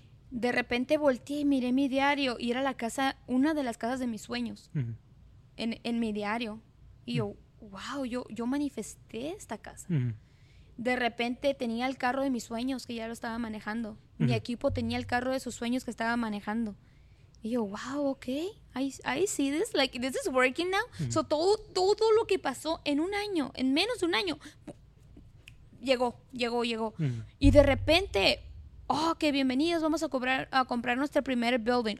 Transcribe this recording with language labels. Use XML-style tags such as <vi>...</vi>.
<es>De repente volteé y miré mi diario y era la casa, una de las casas de mis sueños en mi diario. Y yo, wow, yo manifesté esta casa. De repente tenía el carro de mis sueños que ya lo estaba manejando. Mi equipo tenía el carro de sus sueños que estaba manejando. Y yo,</es> <en>wow, okay, I see this, like, this is working now.</en> <es>So todo lo que pasó en un año, en menos de un año, llegó. Y de repente, oh, qué bienvenidos, vamos a comprar nuestro primer building.</es>